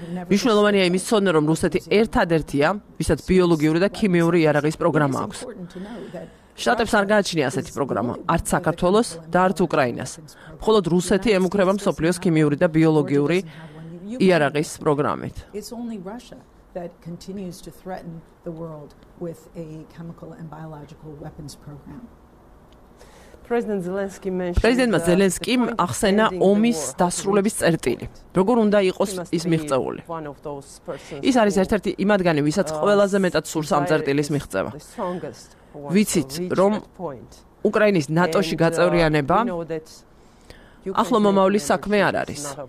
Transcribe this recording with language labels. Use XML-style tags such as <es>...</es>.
<ka>მნიშვნელოვანია იმის ცოდნა, რომ რუსეთი ერთადერთია, ვისაც ბიოლოგიური და ქიმიური იარაღის პროგრამა აქვს. შტატებს არ გააჩნია ასეთი პროგრამა, არც საქართველოს და არც უკრაინას. მხოლოდ რუსეთი ემუქრება მსოფლიოს ქიმიური და ბიოლოგიური იარაღის პროგრამით.</ka> <en>It's only Russia that continues to threaten the world with a chemical and biological weapons program.</en> <ka>პრეზიდენტმა ზელენსკიმ ახსენა ომის დასრულების წერტილი. როგორ უნდა იყოს ის მიღწეული? ის არის ერთ-ერთი იმადგანი, ვისაც ყველაზე მეტად სურს ამ წერტილის მიღწევა. ვიცით, რომ უკრაინის ნატოში გაწევრიანება ახლო მომავლის საქმე არ არის.</ka>